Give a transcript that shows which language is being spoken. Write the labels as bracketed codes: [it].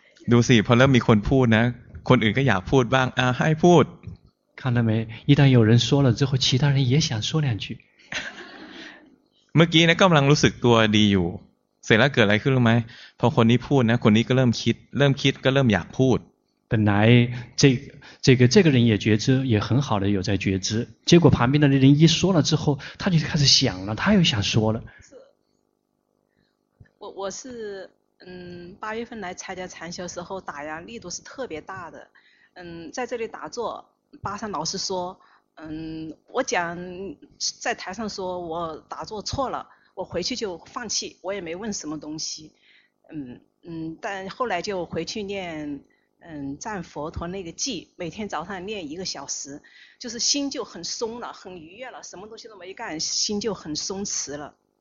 [th] ดูสิพอเริ่มมีคนพูดนะคนอื่นก็อยากพูดบ้างอ่ะให้พูด [zh] 看到没一旦有人说了之后其他人也想说两句 [th] เมื่อกี้นะกำลังรู้สึกตัวดีอยู่เสร็จแล้วเกิดอะไรขึ้นรู้ไหมพอคนนี้พูดนะคนนี้ก็เริ่มคิดก็เริ่มอยากพูด [zh] 本来这个人也觉知也很好的有在觉知结果旁边的那人一说了之后他就开始想了他又想说了我是八月份来参加禅修的时候打压力度是特别大的在这里打坐巴山老师说我讲在台上说我打坐错了我回去就放弃我也没问什么东西但后来就回去念赞佛陀那个偈每天早上念一个小时就是心就很松了很愉悦了什么东西都没干心就很松弛了